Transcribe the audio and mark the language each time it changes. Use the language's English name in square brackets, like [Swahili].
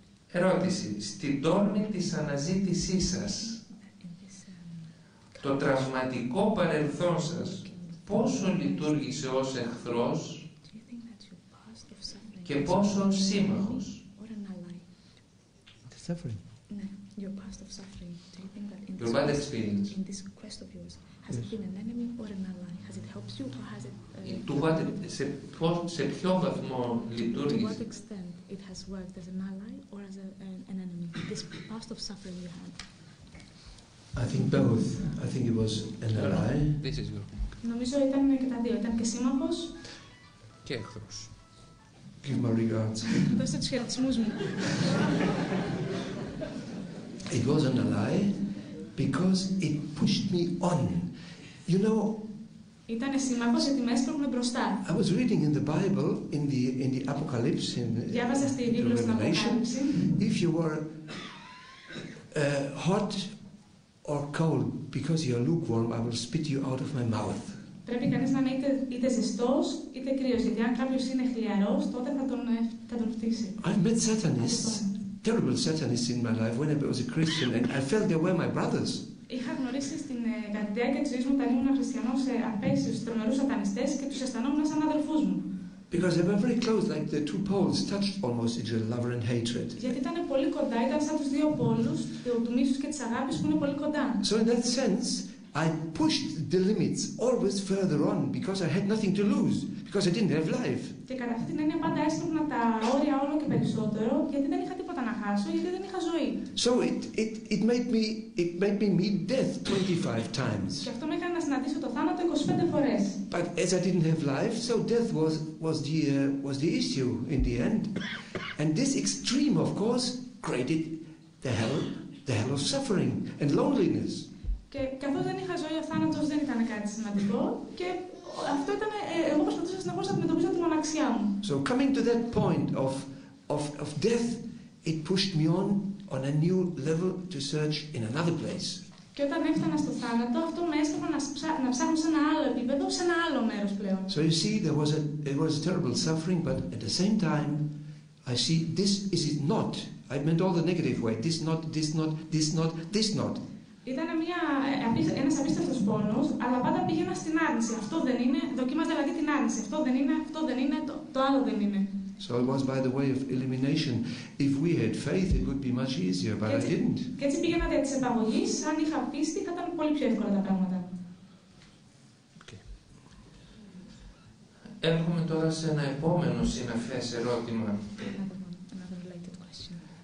[Greek] Ερώτηση. Στην τόλμη της αναζήτησής σας, το τραυματικό παρελθόν σας πόσο λειτουργήσε ως εχθρός και πόσο ως σύμμαχος? [English] Suffering. No, your past of suffering. Do you think that in your this quest, experience, in this quest of yours, has yes. it been an enemy or an ally? Has it helped you or has it? To what extent it has worked as an ally or as an enemy? This past of suffering you had. I think both. I think it was an ally. This is good. [Greek] Νομίζω ήταν και τα δύο. Ήταν και σύμμαχος. Και εχθρός. [English] Give my regards. [Greek] Δώστε τους χαιρετισμούς μου. [English] It wasn't a lie, because it pushed me on. You know, I was reading in the Bible, in the Apocalypse, in the Revelation, if you were hot or cold, because you are lukewarm, I will spit you out of my mouth. [Greek] Πρέπει κανείς να είναι είτε ζεστός είτε κρύος, γιατί αν κάποιος είναι χλιαρός, τότε θα τον φτύσει. [English] I've met Satanists, terrible Satanists in my life when I was a Christian, and I felt they were my brothers. [Greek] Είχα γνωρίσει στην Γαλλία και τη ζωή μου όταν ήμουν χριστιανός σε απέσιους τρομερούς σατανιστές και τους αισθανόμουν σαν αδερφούς μου. [English] Because they were very close, like the two poles touched almost each other, love and hatred. [Greek] Γιατί ήταν πολύ κοντά, ήταν σαν τους δύο πόλους, του μίσους και της αγάπης που είναι πολύ κοντά. [English] So in that sense, I pushed the limits always further on because I had nothing to lose, because I didn't have life. [Greek] Και κατά αυτή την έννοια πάντα έστρωπνα τα όρια όλο και περισσότερο, γιατί δεν είχα τίποτα να χάσω, γιατί δεν είχα ζωή. [English] So it made me meet death 25 times. [Greek] Και αυτό με έκανε να συναντήσω το θάνατο 25 φορές. [English] But as I didn't have life, so death was the issue in the end. And this extreme, of course, created the hell of suffering and loneliness. [Greek] Και καθώς δεν είχα ζωή, ο θάνατος δεν ήταν κάτι σημαντικό και αυτό ήταν, εγώ προσπαθούσα συνεχώς να αντιμετωπίσω τη μοναξιά μου. [English] So coming to that point of death, it pushed me on a new level to search in another place. [Greek] Και όταν έφτανα στο θάνατο, αυτό με έστρεπε να ψάχνω σε ένα άλλο επίπεδο, σε ένα άλλο μέρος πλέον. [English] So you see, there was a terrible suffering, but at the same time, I see this is it not. I meant all the negative way. This not, this not, this not, this not. [Greek] Ήταν ένας απίστευτος πόνος, αλλά πάντα πήγαινα στην άρνηση. Αυτό δεν είναι. Δοκίμαζα δηλαδή την άρνηση. Αυτό δεν είναι. Το άλλο δεν είναι. [English] So it was by the way of elimination. If we had faith, it would be much easier, but I didn't. [Greek] Και έτσι πήγαινα δια της επαγωγής. Αν είχα πίστη, θα ήταν πολύ πιο εύκολα τα πράγματα. [English] Okay. [Greek] Έρχομαι τώρα σε ένα επόμενο συναφές ερώτημα. [English] Another related question.